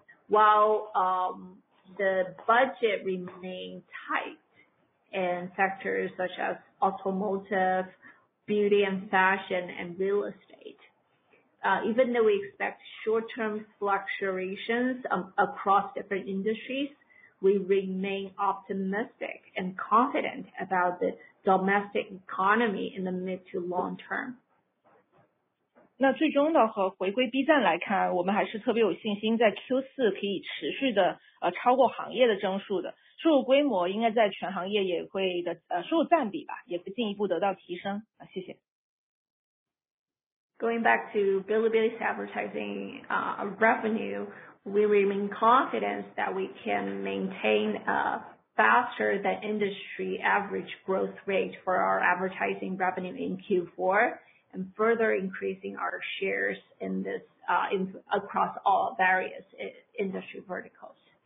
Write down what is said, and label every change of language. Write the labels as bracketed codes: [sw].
[en] While the budget remains tight,in sectors such as automotive, beauty and fashion, and real estate. Even though we expect short-term fluctuations across different industries, we remain optimistic and confident about the domestic economy in the mid to long term. [zh] 那最终的和回归 B 站来看，我们还是特别有信心在 Q4 可以持续的超过行业的增速的。收入规模应该在全行业也会的收入占比吧也会进一步得到提升谢谢。 [en] Going back to Bilibili's advertising revenue, we remain confident that we can maintain a faster than industry average growth rate for our advertising revenue in Q4 and further increasing our shares in this, across all various industry verticals.